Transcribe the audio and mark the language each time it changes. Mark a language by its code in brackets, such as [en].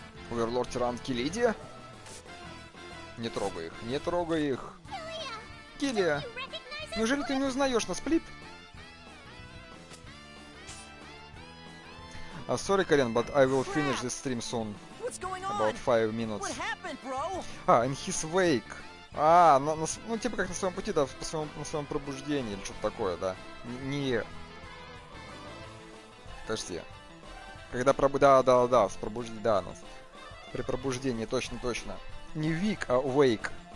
[ru] Оверлорд тиран Келидия? Не трогай их, не трогай их. Келия, неужели ты не узнаешь нас, Плип? [en] Sorry, Карен, but I will finish this stream soon. About 5 minutes. What happened, bro? Ah, and he's wake. [ru] А, ну типа как на своем пути, да, на своем пробуждении или что-то такое, да. Не. Подожди. Когда в пробуждении, да, ну. При пробуждении, точно. Не weak, а wake.